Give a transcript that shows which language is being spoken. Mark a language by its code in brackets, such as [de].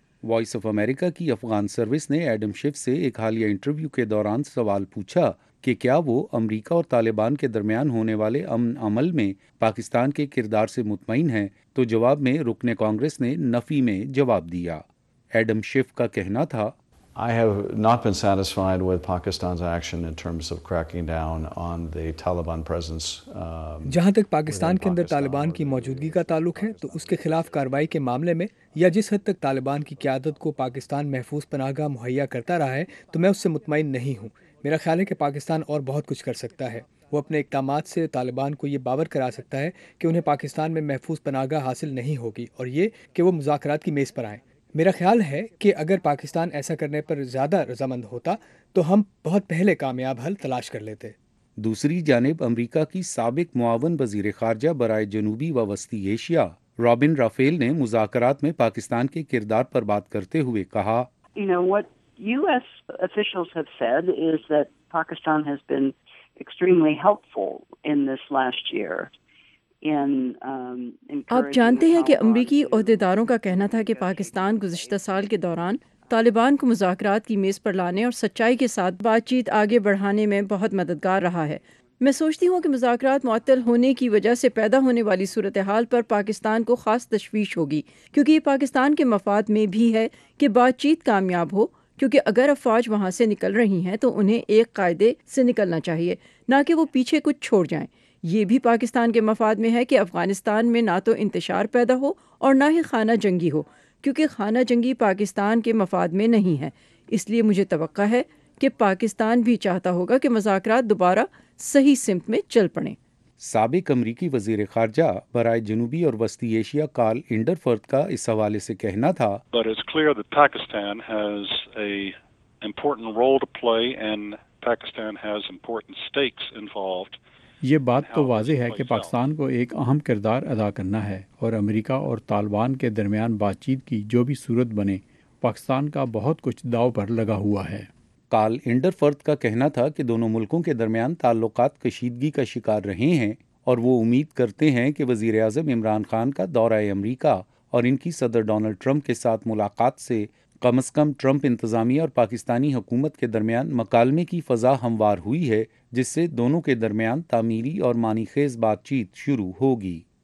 [ur] Voice of America کی Afghan service نے Adam chef سے ایک حالیہ انٹرویو کے دوران سوال پوچھا کہ کیا وہ امریکہ اور طالبان کے درمیان ہونے والے امن عمل میں پاکستان کے کردار سے مطمئن ہیں, تو جواب میں رکن کانگریس نے نفی میں جواب دیا. ایڈم شیف کا کہنا تھا, [en] I have not been satisfied with Pakistan's action in terms of cracking down on the Taliban presence. [ur] جہاں تک پاکستان کے اندر طالبان کی موجودگی کا تعلق ہے تو اس کے خلاف کارروائی کے معاملے میں یا جس حد تک طالبان کی قیادت کو پاکستان محفوظ پناہ گاہ مہیا کرتا رہا ہے تو میں اس سے مطمئن نہیں ہوں. میرا خیال ہے کہ پاکستان اور بہت کچھ کر سکتا ہے. وہ اپنے اقدامات سے طالبان کو یہ باور کرا سکتا ہے کہ انہیں پاکستان میں محفوظ پناہ گاہ حاصل نہیں ہوگی اور یہ کہ وہ مذاکرات کی میز پر آئیں۔ میرا خیال ہے کہ اگر پاکستان ایسا کرنے پر زیادہ رضامند ہوتا تو ہم بہت پہلے کامیاب حل تلاش کر لیتے۔ دوسری جانب امریکہ کی سابق معاون وزیر خارجہ برائے جنوبی و وسطی ایشیا رابن رافیل نے مذاکرات میں پاکستان کے کردار پر بات کرتے ہوئے کہا، [en] US officials have said is that Pakistan has been extremely helpful in this last year. [ur] آپ جانتے ہیں کہ امریکی عہدیداروں کا کہنا تھا کہ پاکستان گزشتہ سال کے دوران طالبان کو مذاکرات کی میز پر لانے اور سچائی کے ساتھ بات چیت آگے بڑھانے میں بہت مددگار رہا ہے۔ میں سوچتی ہوں کہ مذاکرات معطل ہونے کی وجہ سے پیدا ہونے والی صورتحال پر پاکستان کو خاص تشویش ہوگی، کیونکہ یہ پاکستان کے مفاد میں بھی ہے کہ بات چیت کامیاب ہو، کیونکہ اگر افواج وہاں سے نکل رہی ہیں تو انہیں ایک قاعدے سے نکلنا چاہیے، نہ کہ وہ پیچھے کچھ چھوڑ جائیں۔ یہ بھی پاکستان کے مفاد میں ہے کہ افغانستان میں نہ تو انتشار پیدا ہو اور نہ ہی خانہ جنگی ہو، کیونکہ خانہ جنگی پاکستان کے مفاد میں نہیں ہے۔ اس لیے مجھے توقع ہے کہ پاکستان بھی چاہتا ہوگا کہ مذاکرات دوبارہ صحیح سمت میں چل پڑیں۔ سابق امریکی وزیر خارجہ برائے جنوبی اور وسطی ایشیا کارل انڈرفرت کا اس حوالے سے کہنا تھا، [en] But it's clear that Pakistan has a important role to play and Pakistan has important stakes involved. [ur] یہ بات تو واضح ہے کہ پاکستان کو ایک اہم کردار ادا کرنا ہے، اور امریکہ اور طالبان کے درمیان بات چیت کی جو بھی صورت بنے پاکستان کا بہت کچھ داؤ پر لگا ہوا ہے۔ کارل انڈرفرت کا کہنا تھا کہ دونوں ملکوں کے درمیان تعلقات کشیدگی کا شکار رہے ہیں، اور وہ امید کرتے ہیں کہ وزیر اعظم عمران خان کا دورہ امریکہ اور ان کی صدر ڈونلڈ ٹرمپ کے ساتھ ملاقات سے کم از کم ٹرمپ انتظامیہ اور پاکستانی حکومت کے درمیان مکالمے کی فضا ہموار ہوئی ہے، جس سے دونوں کے درمیان تعمیری اور معنی خیز بات چیت شروع ہوگی۔